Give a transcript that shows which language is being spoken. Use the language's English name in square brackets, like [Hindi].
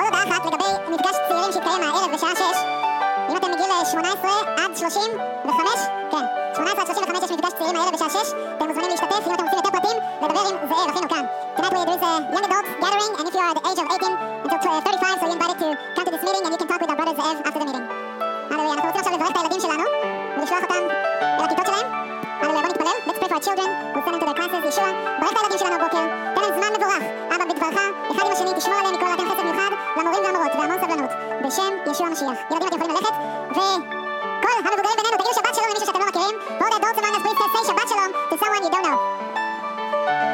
[Hebrew] אחת לגבי מפגש צעירים שיתקיים הערב בשעה 6. אם אתם מגיל 18 עד 35, כן, 18 עד 35 יש מפגש צעירים הערב בשעה 6. אתם מוזמנים להשתתף, אם אתם רוצים יותר פרטים, לדבר עם זאב, אחינו כאן. [English] Tonight there is a young adult gathering, and if you are the age of 18 until 35, so you're invited to come to this meeting, and you can talk with our brother Zaev after the meeting. Hallelujah. [Hebrew] אנחנו רוצים עכשיו לברך את הילדים שלנו, ולשלוח אותם אל הכיתות שלהם. Hallelujah, בוא נתפלל. [English] Let's pray for our children. We'll send them to their classes, Yeshua. [Hebrew] ברך את הילדים שלנו הבוקר. תן להם זמן מבורך. אבא בדברך, אחד עם השני, תשמור עליהם מכל אתם חסד מיוחד, למורים והמורות, והמון סבלנות. בשם ישוע המשיח. ילדים, אתם יכולים ללכת, וכל המבוגרים בינינו, תגידו שבת שלום למישהו שאתם לא מכירים. [English] All the adults among us, please say שבת שלום to someone you don't know.